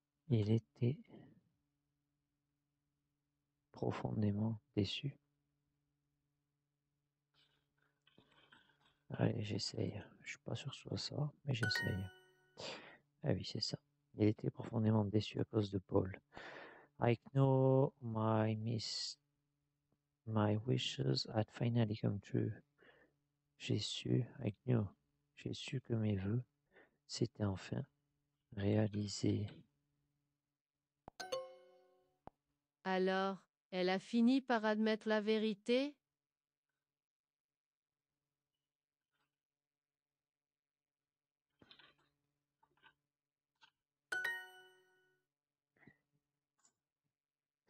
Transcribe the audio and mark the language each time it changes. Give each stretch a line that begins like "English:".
French: Il était profondément déçu. Allez, j'essaye. Je suis pas sûr que ce soit ça, mais j'essaye. Ah oui, c'est ça. Il était profondément déçu à cause de Paul.
English: I know my wishes had finally come true.
French: J'ai su que mes vœux s'étaient enfin réalisés. Alors, elle a fini par admettre la vérité ?